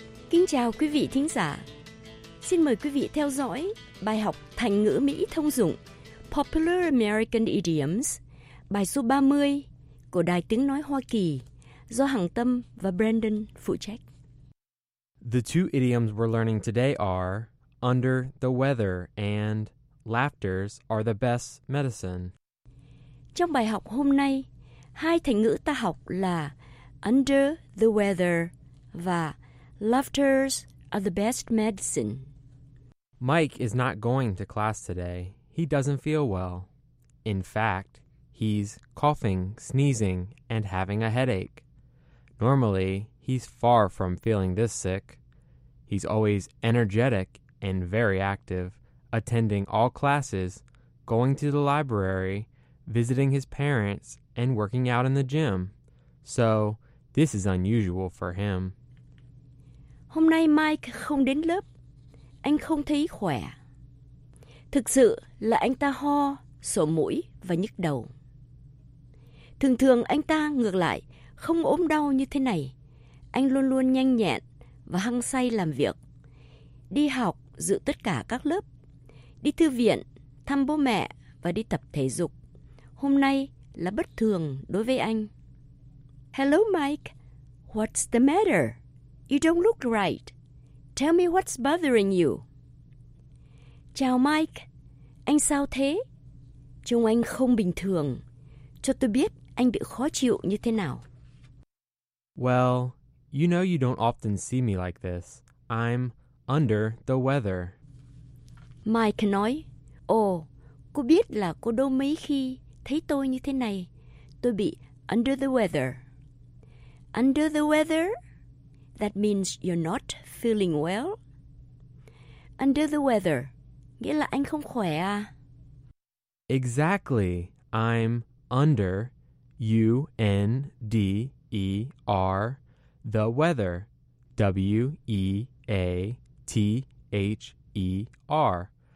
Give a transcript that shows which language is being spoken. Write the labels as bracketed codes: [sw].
[vi] Kính chào quý vị thính giả. Xin mời quý vị theo dõi bài học thành ngữ Mỹ thông dụng [en] Popular American Idioms, [vi] bài số 30 của Đài Tiếng Nói Hoa Kỳ, do Hằng Tâm và Brandon phụ trách. [en] The two idioms we're learning today are under the weather and laughters are the best medicine. [vi] Trong bài học hôm nay, hai thành ngữ ta học là [en] under the weather [vi] và [en] laughters are the best medicine. Mike is not going to class today. He doesn't feel well. In fact, he's coughing, sneezing, and having a headache. Normally, he's far from feeling this sick. He's always energetic and very active, attending all classes, going to the library, visiting his parents, and working out in the gym. So, this is unusual for him. [vi] Hôm nay Mike không đến lớp. Anh không thấy khỏe. Thực sự là anh ta ho, sổ mũi và nhức đầu. Thường thường anh ta ngược lại, không ốm đau như thế này. Anh luôn luôn nhanh nhẹn và hăng say làm việc. Đi học, dự tất cả các lớp. Đi thư viện, thăm bố mẹ và đi tập thể dục. Hôm nay là bất thường đối với anh. [en] Hello Mike, what's the matter? You don't look right. Tell me what's bothering you. [vi] Chào Mike, anh sao thế? Trông anh không bình thường. Cho tôi biết anh bị khó chịu như thế nào. [en] Well, you know you don't often see me like this. I'm under the weather. [vi] Mike nói, ồ, cô biết là cô đâu mấy khi thấy tôi như thế này. Tôi bị [en] under the weather. Under the weather? That means you're not feeling well. Under the weather. [vi] Nghĩa là anh không khỏe à? [en] Exactly. I'm under, U-N-D-E-R, the weather, W-E-A-T-H-E-R.